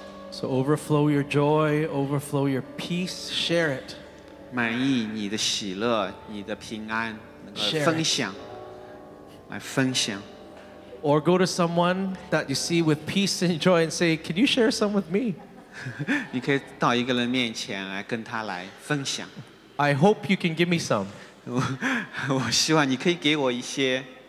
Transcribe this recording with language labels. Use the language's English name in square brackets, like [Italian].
[English] So overflow your joy, overflow your peace, share it. [Chinese] 满意你的喜乐，你的平安，分享，来分享。 [English] Or go to someone that you see with peace and joy and say, can you share some with me? [Chinese] 你可以到一个人面前来跟他来分享。 [English] I hope you can give me some. [Chinese] 我希望你可以给我一些。